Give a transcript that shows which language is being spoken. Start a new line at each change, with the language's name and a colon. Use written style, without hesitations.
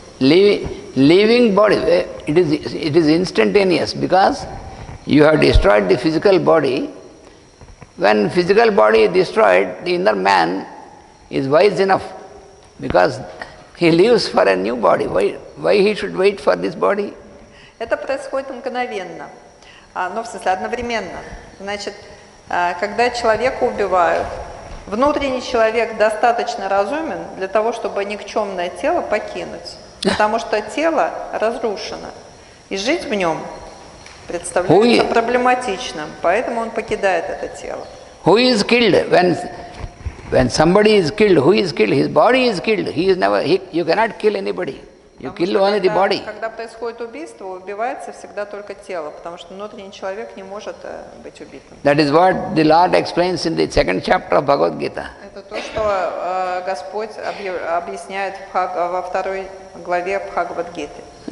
English: Living body. It is instantaneous because you have destroyed the physical body. When physical body is destroyed, the inner man is wise enough because he lives for a new body. Why he should wait for this body?
Russian: Это происходит мгновенно, но в смысле одновременно. Значит, когда человека убивают, внутренний человек достаточно разумен для того, чтобы никчемное тело покинуть, потому что тело разрушено, и жить в нем представляется проблематичным, поэтому он покидает это тело.
English: Who is killed when somebody is killed? Who is killed? His body is killed. You cannot kill anybody. You kill only the body.
Russian: Когда происходит убийство, убивается всегда только тело, потому что внутренний человек не может быть убитым.
English: That is what the Lord explains in the second chapter of Bhagavad Gita.
Russian: Это то, что Господь объясняет во второй главе Бхагавад-гиты.